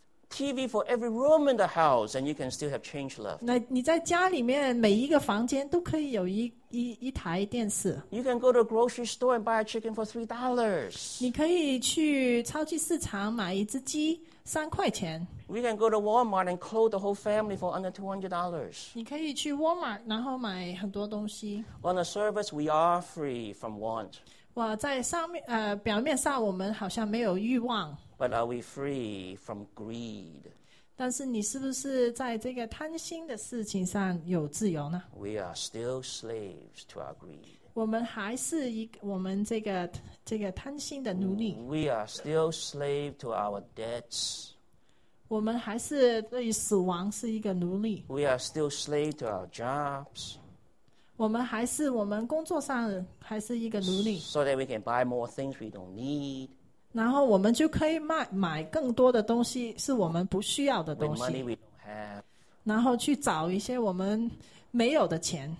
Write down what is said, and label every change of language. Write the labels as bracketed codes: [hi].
[en] TV for every room in the house, and you can still have change left. [zh] 那你在家里面每一个房间都可以有一台电视。 [en] You can go to a grocery store and buy a chicken for $3. [zh] 你可以去超级市场买一只鸡3块钱。 [en] We can go to Walmart and clothe the whole family for under $200. [zh] 你可以去 Walmart 然后买很多东西。 [en] On the surface, we are free from want. [zh] 哇，在上面表面上我们好像没有欲望。 [en] But are we free from greed? [zh] 但是你是不是在这个贪心的事情上有自由呢 [en] ？We are still slaves to our greed. [zh] 我们还是一个我们这个这个贪心的奴隶。 [en] We are still slave to our debts. [zh] 我们还是对死亡是一个奴隶。 [en] We are still slave to our jobs. [zh] 我们还是我们工作上还是一个奴隶。 [en] So that we can buy more things we don't need. [zh] 然后我们就可以买更多的东西是我们不需要的东西。 [en] With money we don't have. [zh] 然后去找一些我们没有的钱